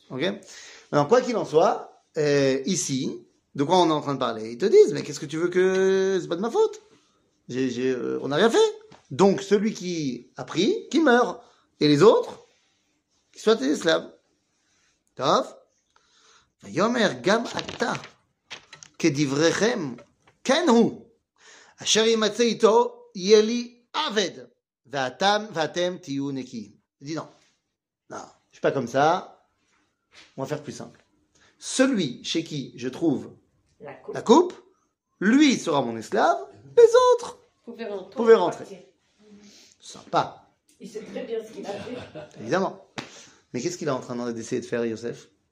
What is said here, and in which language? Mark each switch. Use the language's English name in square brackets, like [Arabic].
[French] Ok. Alors, quoi qu'il en soit, ici, de quoi on est en train de parler? Ils te disent, mais qu'est-ce que tu veux que. C'est pas de ma faute. On n'a rien fait. Donc, celui qui a pris, qui meurt. Et les autres, qui soient des esclaves. Tof. [Hebrew] ויאמר גם אתה כדבריכם כן הוא אשר ימצא איתו יהיה לי עבד ואתם תהיו נקיים. [French] Dis non. Non, je suis pas comme ça. On va faire plus simple. Celui chez qui je trouve la coupe, lui sera mon esclave, les autres pouvez rentrer. Sympa. Il sait très bien ce qu'il a fait. Évidemment. Mais qu'est-ce qu'il est en train d'essayer de faire, Yosef?